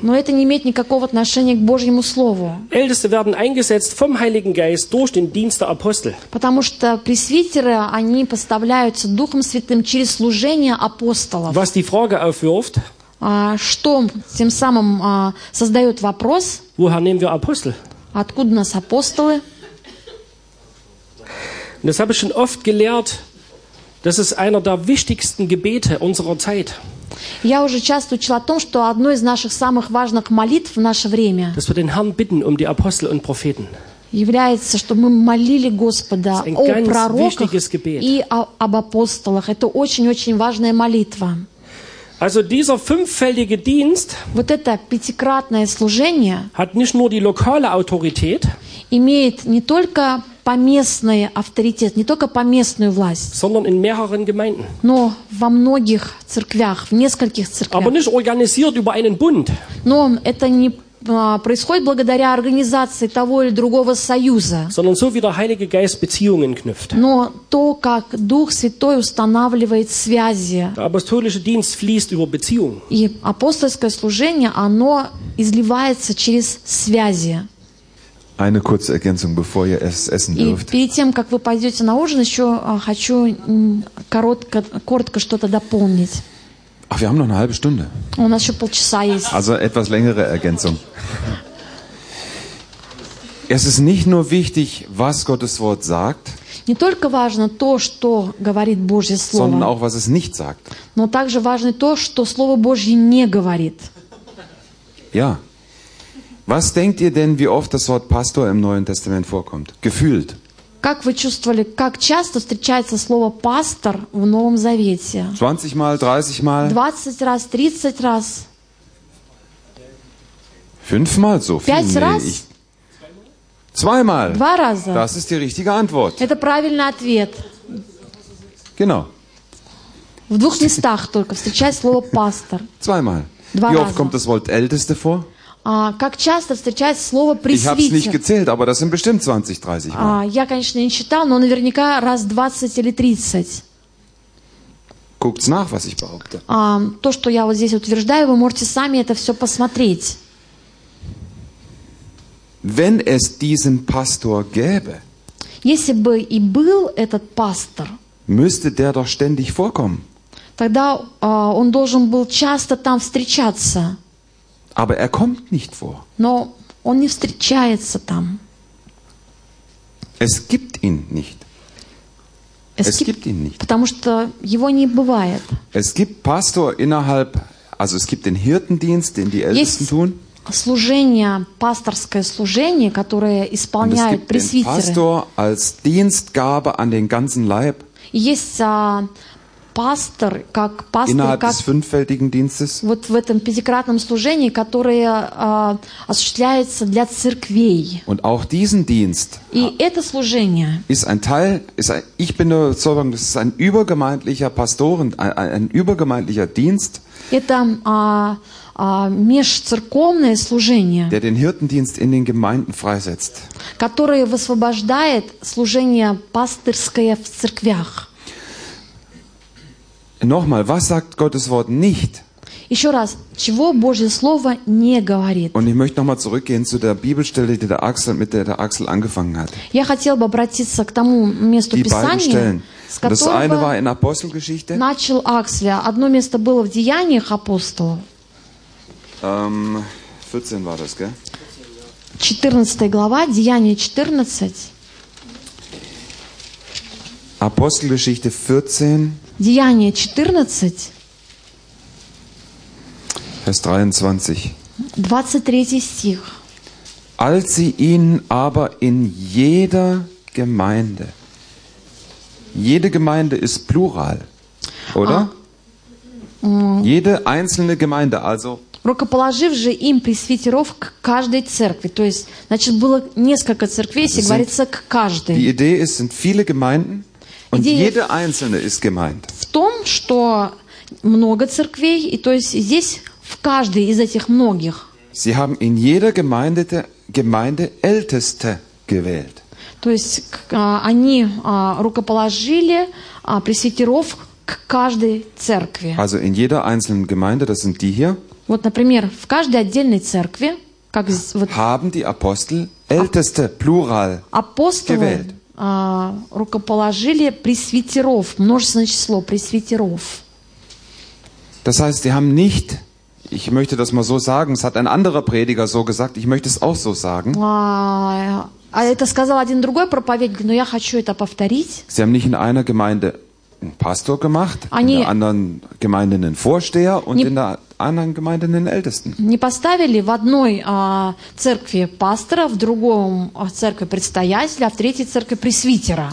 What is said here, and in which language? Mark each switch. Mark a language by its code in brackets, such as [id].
[ru] Но это не имеет никакого отношения к Божьему слову. [de] Älteste werden eingesetzt vom Heiligen Geist durch den Dienst der Apostel. [ru] Потому что пресвитеры, они поставляются Духом Святым через служение апостолов. [de] Was die Frage aufwirft. [ru] Что тем самым создает вопрос? [de] Woher nehmen wir Apostel? [ru] Откуда у нас апостолы? [de] Das habe ich schon oft gelehrt. Das ist einer der wichtigsten Gebete unserer Zeit. [ru] Я уже часто учила о том, что одно из наших самых важных молитв в наше время. [de] Dass wir den Herrn bitten um die Apostel und Propheten. [ru] Является, что мы молили Господа о пророках и об апостолах. Это очень-очень важная молитва. [de] Also dieser fünffältige Dienst [ru] вот это пятикратное служение [de] hat nicht nur die lokale Autorität, [ru] имеет не только поместный авторитет, не только поместную власть, [de] sondern in mehreren Gemeinden. [ru] Но во многих церквях, в нескольких церквях. [de] Aber nicht organisiert über einen Bund. [ru] Но это не происходит благодаря организации того или другого союза. [de] Sondern so wie der Heilige Geist Beziehungen knüpft. [ru] Но то, как Дух Святой устанавливает связи. [de] Der apostolische Dienst fließt über Beziehungen. [ru] И апостольское служение, оно изливается через связи. [de] Eine kurze Ergänzung, bevor ihr es essen dürft. [ru] И перед тем, как вы пойдете на ужин, еще хочу коротко что-то дополнить. [de] Ach, wir haben noch eine halbe Stunde. [ru] У нас еще полчаса есть. [de] Also etwas längere Ergänzung. Es ist nicht nur wichtig, was Gottes Wort sagt, [ru] не только важно то, что говорит Божье слово, [de] sondern auch, was es nicht sagt. [ru] Но также важно то, что Слово Божье не говорит. [de] Ja. Was denkt ihr denn, wie oft das Wort Pastor im Neuen Testament vorkommt? Gefühlt. [ru] Как вы чувствовали, как часто встречается слово пастор в Новом Завете? [de] 20 mal, 30 mal. [ru] 20 раз, 30 раз. [de] 5 mal so viel. [ru] 5 раз? [de] 2 mal. [ru] 2 раза. [de] Das ist die richtige Antwort. [ru] Это правильный ответ. [de] Genau. [ru] В двух местах только встречается слово пастор. [de] 2 mal. [ru] 2 [de] Wie oft kommt das Wort älteste vor? [ru] Как часто встречается слово пресвитер? [de] Ich habe es nicht gezählt, aber das sind bestimmt 20-30 Mal. [ru] Я, конечно, не считал, но наверняка раз 20 или 30. [de] Guckt's nach, was ich behaupte. [ru] То, что я вот здесь утверждаю, вы можете сами это все посмотреть. [de] Wenn es diesen Pastor gäbe, [ru] если бы и был этот пастор, [de] müsste der doch ständig vorkommen. [ru] Тогда он должен был часто там встречаться. [de] Aber er kommt nicht vor. [ru] Но он не встречается там. [de] Es gibt ihn nicht. Es gibt ihn nicht. [ru] Потому что его не бывает. [de] Es gibt Pastor innerhalb, also es gibt den Hirtendienst, den die Ältesten tun. [ru] Есть служение, пасторское служение, которое исполняют пресвитеры. [de] Und es gibt Pastor als Dienstgabe an den ganzen Leib. [ru] Есть пастор, как пастор, [de] innerhalb [ru] как [de] des fünffältigen Dienstes, [ru] вот в этом пятикратном служении, которое осуществляется для церквей. [de] Und auch diesen Dienst, [ru] и это служение [de] ist ein Teil, ist ein, ich bin der Überzeugung, das ist ein übergemeindlicher Pastoren, ein übergemeindlicher Dienst, [ru] это межцерковное служение, [de] der den Hirtendienst in den Gemeinden freisetzt, [ru] которое высвобождает служение пастырское в церквях. [de] Nochmal, was sagt Gottes Wort nicht? [ru] Еще раз, чего Божье слово не говорит. [de] Und ich möchte nochmal zurückgehen zu der Bibelstelle, die der Axel mit der Axel angefangen hat. [ru] Я хотел бы обратиться к тому месту Писания, с которого. [de] Das eine war in Apostelgeschichte. [ru] Начал Аксель. Одно место было в Деяниях апостолов. [de] 14 war das, gell? [ru] 14 глава, Деяния 14. [de] Apostelgeschichte 14. [ru] Деяния 14. [de] Vers 23. [ru] 23 стих. [de] Als sie ihn aber in jeder Gemeinde, jede Gemeinde ist Plural, oder? Jede einzelne Gemeinde, also. [ru] Рукоположив же им пресвитеров к каждой церкви. То есть, значит, было несколько церквей, если говорится, к каждой. [de] Die Idee ist, sind viele Gemeinden und jede einzelne ist gemeint. [ru] В том, что много церквей, и то есть здесь в каждой из этих многих. [de] Sie haben in jeder Gemeinde Älteste gewählt. [ru] То есть они рукоположили пресвитеров к каждой церкви. [de] Also in jeder einzelnen Gemeinde, das sind die hier. [ru] Вот, например, в каждой отдельной церкви, как вот. [de] Haben die Apostel Älteste Plural gewählt. [ru] Апостолы рукоположили пресвитеров, множественное число пресвитеров. [de] Das heißt, sie haben nicht. Ich möchte das mal so sagen. Es hat ein anderer Prediger so gesagt. Ich möchte es auch so sagen. [ru] Это сказал один другой проповедник, но я хочу это повторить. [de] Sie haben nicht in einer Gemeinde einen Pastor gemacht, [ru] они [de] in der anderen Gemeinde einen Vorsteher und in der anderen Gemeinde einen Ältesten. [ru] Не поставили в одной церкви пастора, в другом церкви предстоятеля, а в третьей церкви пресвитера.